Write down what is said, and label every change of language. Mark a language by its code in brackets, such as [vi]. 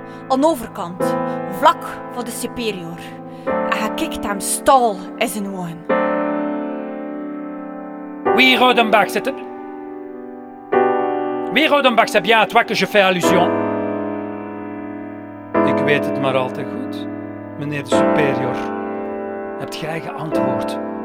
[nl] Aan de overkant, vlak voor de superior. En hij kijkt hem stal in zijn ogen. [fr] Oui, Rodenbach, c'est bien à toi que je fais allusion. [nl] Ik weet het maar al te goed, meneer de superior. Hebt gij geantwoord?